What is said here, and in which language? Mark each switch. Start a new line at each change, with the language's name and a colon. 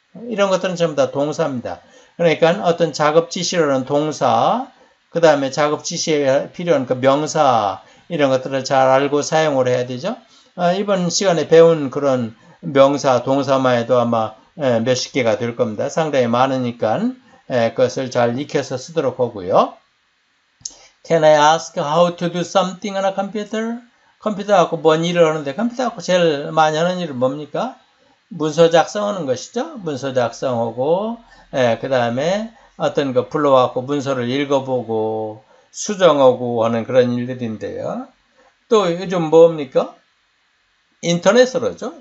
Korean: 이런 것들은 전부 다 동사입니다. 그러니까 어떤 작업 지시라는 동사, 그 다음에 작업 지시에 필요한 그 명사, 이런 것들을 잘 알고 사용을 해야 되죠. 이번 시간에 배운 그런 명사, 동사만 해도 아마 몇십 개가 될 겁니다. 상당히 많으니까 그것을 잘 익혀서 쓰도록 하고요.
English: Can I ask how to do something on a computer?
Korean: 컴퓨터 갖고 뭔 일을 하는데 컴퓨터 갖고 제일 많이 하는 일은 뭡니까? 문서 작성하는 것이죠. 문서 작성하고 그 다음에 어떤 거 불러와서 문서를 읽어보고 수정하고 하는 그런 일들인데요. 또 요즘 뭡니까? 인터넷으로죠.